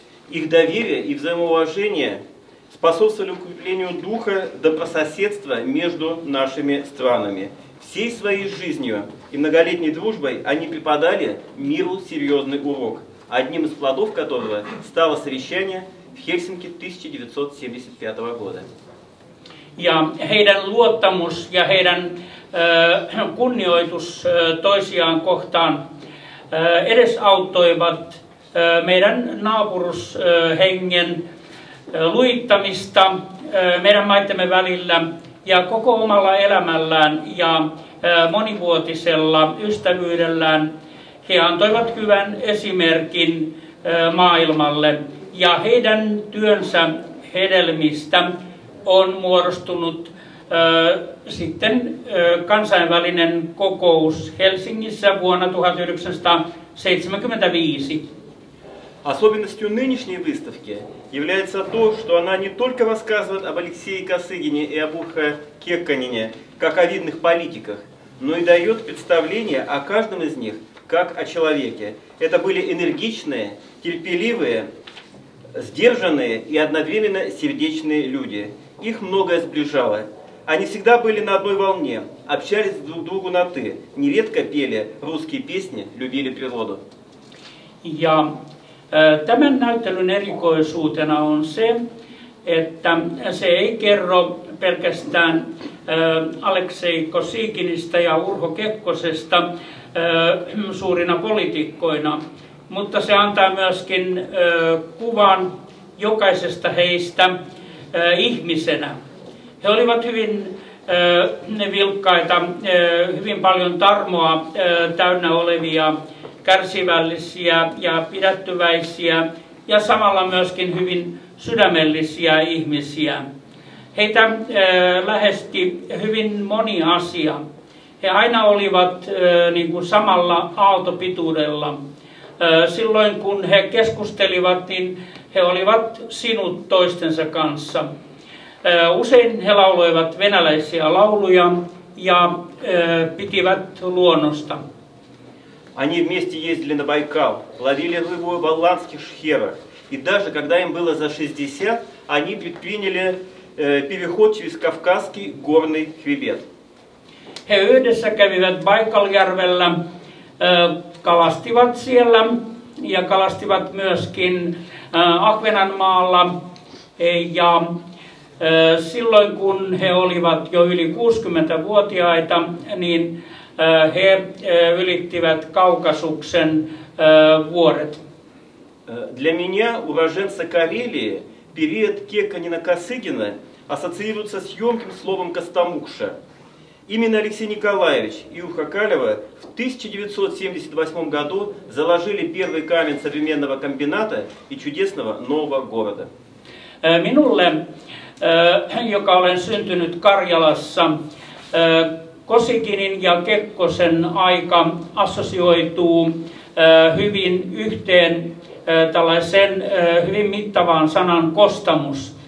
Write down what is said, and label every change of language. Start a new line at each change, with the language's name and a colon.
Russian: Их доверие и взаимоуважение способствовали укреплению духа добрососедства между нашими странами. Всей своей жизнью и многолетней дружбой они преподали миру серьезный урок, одним из плодов которого стало совещание в Хельсинки 1975 года. Ja heidän luottamus ja heidän kunnioitus toisiaan kohtaan edesauttoivat meidän naapurushengen luittamista meidän maittemme välillä ja koko omalla elämällään ja monivuotisella ystävyydellään. He antoivat hyvän esimerkin maailmalle ja heidän työnsä hedelmistä on muodostunut sitten kansainvälinen kokous Helsingissä vuonna 1975. Особенностью нынешней выставки является то, что она не только рассказывает об Алексее Косыгине и об Урхе Кекконене как о видных политиках, но и дает представление о каждом из них как о человеке. Это были энергичные, терпеливые, сдержанные и одновременно сердечные люди. Их многое сближало. Они всегда были на одной волне, общались друг к другу на «ты», нередко пели русские песни, любили природу. Я...
Finnish: Tämän näyttelyn erikoisuutena on se, että se ei kerro pelkästään Aleksei Kosyginista ja Urho Kekkosesta suurina poliitikkoina, mutta se antaa myöskin kuvan jokaisesta heistä ihmisenä. He olivat hyvin vilkkaita, hyvin paljon tarmoa täynnä olevia, kärsivällisiä ja pidättyväisiä ja samalla myöskin hyvin sydämellisiä ihmisiä. Heitä lähesti hyvin moni asia. He aina olivat niin kuin samalla aaltopituudella. Silloin kun he keskustelivat, niin he olivat sinut toistensa kanssa. Usein he lauloivat venäläisiä lauluja ja pitivät luonnosta.
Russian: Они вместе ездили на Байкал, ловили рыбу в оландских шхерах. И даже когда им было за 60, они предприняли переход через Кавказский горный хребет.
Finnish: He yhdessä kävivät Байкал-järvellä, kalastivat siellä ja kalastivat myöskin Ahvenanmaalla. Ja silloin kun he olivat jo yli 60-vuotiaita, niin he ylittivät Kaukasuksen vuoret.
Russian: Для меня уроженца Карелии период Кекконена-Косыгина ассоциируется с емким словом Костомукша. Именно Алексей Николаевич и Урхо Калева в 1978 году заложили первый камень современного комбината и чудесного нового города.
Finnish: Минулле, joka olen syntynyt Karjalassa, Kosyginin ja Kekkosen aika assosioituu hyvin yhteen tällaiseen hyvin mittavaan sanan kostamus.